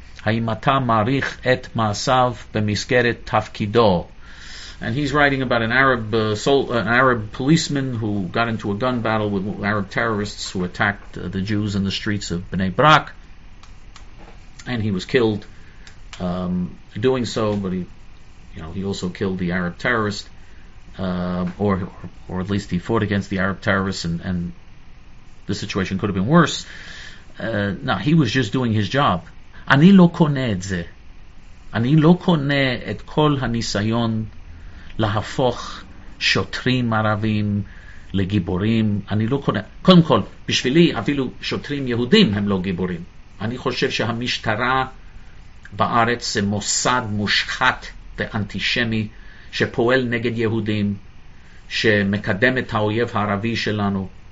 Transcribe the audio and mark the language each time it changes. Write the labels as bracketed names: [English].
[Hebrew] האם אתה מעריך את מעשיו במסגרת תפקידו? [English] And he's writing about an Arab policeman who got into a gun battle with Arab terrorists who attacked the Jews in the streets of Bnei Brak, and he was killed doing so. But he also killed the Arab terrorist, or at least he fought against the Arab terrorists, and the situation could have been worse. No, he was just doing his job. [Hebrew] אני לא קונה את זה. אני לא קונה את כל הניסיון להפוך שוטרים ערבים לגיבורים. אני לא קונה. קודם כל, בשבילי אפילו שוטרים יהודים הם לא גיבורים. אני חושב שהמשטרה בארץ זה מוסד מושחת ואנטישמי שפועל נגד יהודים, שמקדם את האויב הערבי שלנו.